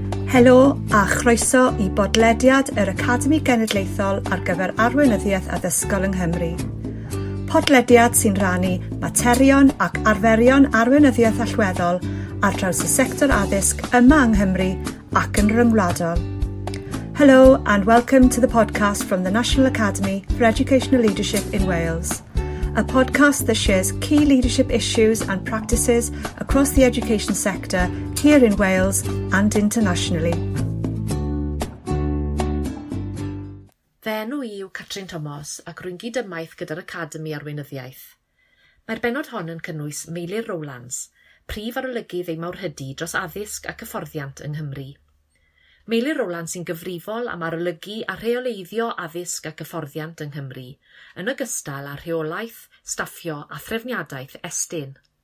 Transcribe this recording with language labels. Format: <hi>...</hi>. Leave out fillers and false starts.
<cy>Helo a chroeso I bodlediad yr Academi Genedlaethol ar gyfer Arweinyddiaeth Addysgol yng Nghymru. Podlediad sy'n rannu materion ac arferion arweinyddiaeth allweddol ar draws y sector addysg yma yng Nghymru ac yn rhyngwladol.</cy> <en>Hello and welcome to the podcast from the National Academy for Educational Leadership in Wales, a podcast that shares key leadership issues and practices across the education sector here in Wales and internationally.</en> <cy>Fe enw I yw Catrin Thomas ac rwy'n gydymaith gyda'r Academi Arweinyddiaeth. Mae'r benod hon yn cynnwys Meilir Rowlands, prif arolygydd ei mawrhydi dros addysg ac hyfforddiant yng Nghymru. Meilir Rowlands sy'n gyfrifol am arolygu a rheoleiddio addysg ac hyfforddiant yng Nghymru, yn ogystal â rheolaeth, staffio a threfniadaeth estyn.</cy>